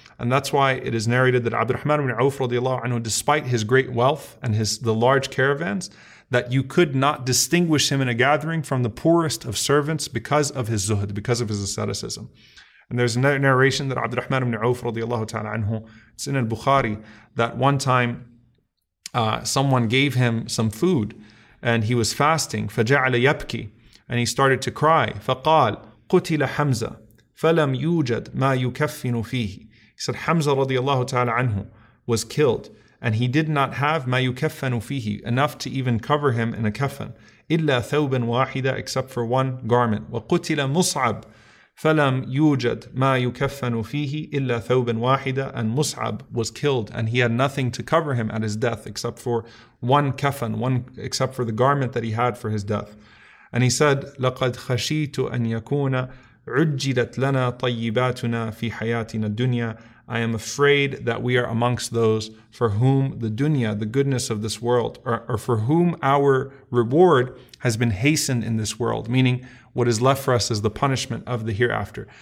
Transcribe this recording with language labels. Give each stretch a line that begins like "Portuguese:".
English: And that's why it is narrated that Abdurrahman ibn Auf radiallahu anhu, despite his great wealth and the large caravans, that you could not distinguish him in a gathering from the poorest of servants because of his zuhd, because of his asceticism. And there's another narration that Abdurrahman ibn Auf radiallahu ta'ala anhu, it's in al-Bukhari, that one time someone gave him some food and he was fasting.
Arabic: فَجَعْلَ يَبْكِي.
English: And he started to cry.
Arabic: فقال قتل حمزة فلم يوجد ما يكفن فيه.
English: He said Hamza radiallahu ta'ala anhu was killed and he did not have
Arabic: ما يكفن فيه,
English: enough to even cover him in a kafan.
Arabic: إلا ثوبا واحدة,
English: except for one garment.
Arabic: وقتل مصعب فلم يوجد ما يكفن فيه إلا ثوبا واحدة.
English: And Mus'ab was killed and he had nothing to cover him at his death except for one kafan, except for the garment that he had for his death. And he said,
Arabic: لَقَدْ خَشِيتُ أَنْ يَكُونَ عُجِّلَتْ لَنَا طَيِّبَاتُنَا فِي حَيَاتِنَا الدُّنْيَا.
English: I am afraid that we are amongst those for whom the dunya, the goodness of this world, or for whom our reward has been hastened in this world, meaning what is left for us is the punishment of the hereafter.